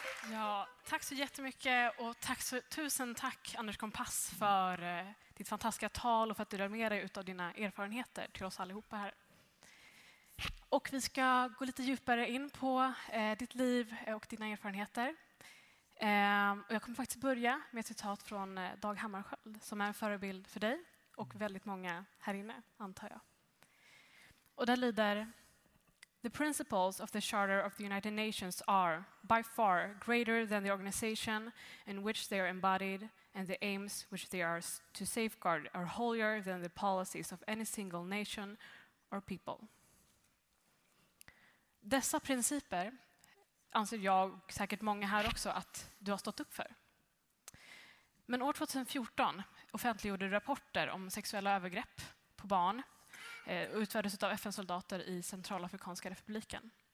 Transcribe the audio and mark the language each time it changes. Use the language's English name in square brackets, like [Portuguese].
[Swedish] Ja, tack så jättemycket och tusen tack Anders Kompass för ditt fantastiska tal och för att du delar med dig utav dina erfarenheter till oss allihopa här. Och vi ska gå lite djupare in på ditt liv och dina erfarenheter. Och jag kommer faktiskt börja med ett citat från Dag Hammarskjöld som är en förebild för dig och väldigt många här inne, antar jag. Och där lyder: [English] "The principles of the Charter of the United Nations are by far greater than the organization in which they are embodied, and the aims which they are to safeguard are holier than the policies of any single nation or people." [Swedish] Dessa principer anser jag, säkert många här också, att du har stått upp för. Men år 2014 offentliggjorde rapporter om sexuella övergrepp på barn utfördes av FN-soldater i Centralafrikanska republiken.